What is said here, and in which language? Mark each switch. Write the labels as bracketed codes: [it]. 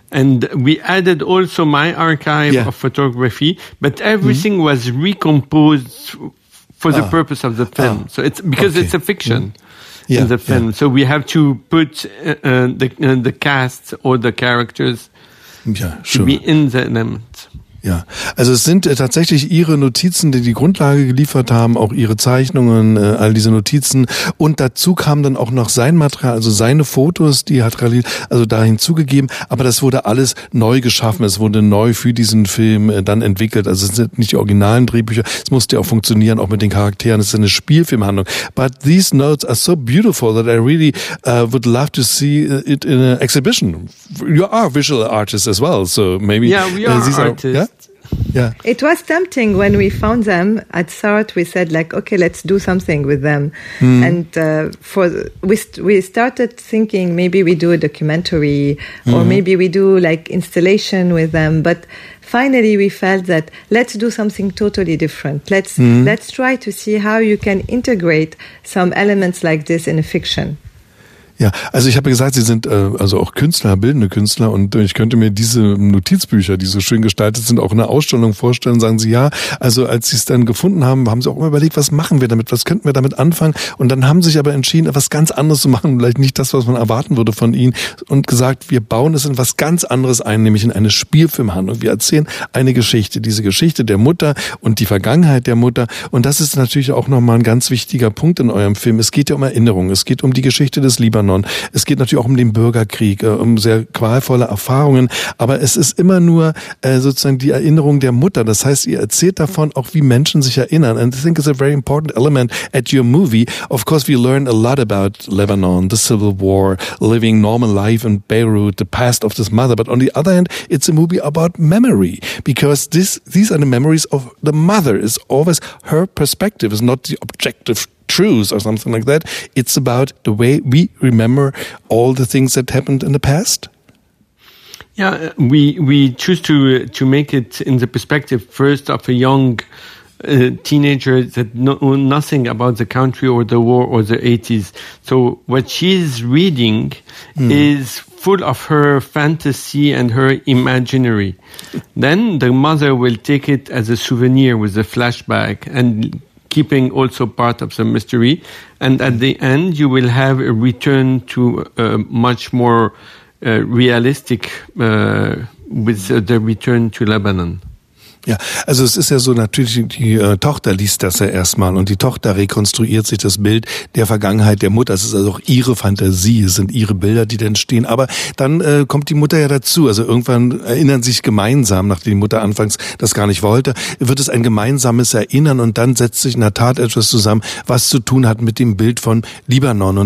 [en] And we added also my archive of photography, but everything mm-hmm. was recomposed for the purpose of the film. So it's because it's a fiction. Mm-hmm. Yeah, in the film. Yeah. So we have to put the cast or the characters to be in the element. [de] Ja, also es sind tatsächlich ihre Notizen, die die Grundlage geliefert haben, auch ihre Zeichnungen, all diese Notizen und dazu kam dann auch noch sein Material, also seine Fotos, die hat Khalil also da hinzugegeben, aber das wurde alles neu geschaffen, es wurde neu für diesen Film dann entwickelt, also es sind nicht die originalen Drehbücher, es musste auch funktionieren, auch mit den Charakteren, es ist eine Spielfilmhandlung. [en] But these notes are so beautiful that I really would love to see it in an exhibition. You are visual artists as well, so maybe... Yeah, we are artists. Yeah. It was tempting when we found them at SART. We said, like, okay, let's do something with them. Mm. And we started thinking maybe we do a documentary or maybe we do like installation with them. But finally, we felt that let's do something totally different. Let's try to see how you can integrate some elements like this in a fiction. [de] Ja, also ich habe gesagt, sie sind also auch Künstler, bildende Künstler und ich könnte mir diese Notizbücher, die so schön gestaltet sind, auch in einer Ausstellung vorstellen, sagen sie ja. Also als sie es dann gefunden haben, haben sie auch immer überlegt, was machen wir damit, was könnten wir damit anfangen und dann haben sie sich aber entschieden, etwas ganz anderes zu machen, vielleicht nicht das, was man erwarten würde von ihnen und gesagt, wir bauen es in was ganz anderes ein, nämlich in eine Spielfilmhandlung. Wir erzählen eine Geschichte, diese Geschichte der Mutter und die Vergangenheit der Mutter und das ist natürlich auch nochmal ein ganz wichtiger Punkt in eurem Film. Es geht ja um Erinnerungen, es geht um die Geschichte des Libanon. Es geht natürlich auch um den Bürgerkrieg, um sehr qualvolle Erfahrungen, aber es ist immer nur sozusagen die Erinnerung der Mutter. Das heißt, ihr erzählt davon auch, wie Menschen sich erinnern. [en] And I think it's a very important element at your movie. Of course, we learn a lot about Lebanon, the civil war, living normal life in Beirut, the past of this mother. But on the other hand, it's a movie about memory, because these are the memories of the mother. It's always her perspective, it's not the objective truths or something like that. It's about the way we remember all the things that happened in the past. Yeah, we choose to make it in the perspective first of a young teenager that know nothing about the country or the war or the 80s. So what she's reading is full of her fantasy and her imaginary. Then the mother will take it as a souvenir with a flashback and keeping also part of the mystery. And at the end, you will have a return to a much more realistic with the return to Lebanon. [de] Ja, also es ist ja so, natürlich die Tochter liest das ja erstmal und die Tochter rekonstruiert sich das Bild der Vergangenheit der Mutter. Es ist also auch ihre Fantasie, es sind ihre Bilder, die dann stehen. Aber dann kommt die Mutter ja dazu. Also irgendwann erinnern sich gemeinsam, nachdem die Mutter anfangs das gar nicht wollte, wird es ein gemeinsames Erinnern und dann setzt sich in der Tat etwas zusammen, was zu tun hat mit dem Bild von Libanon.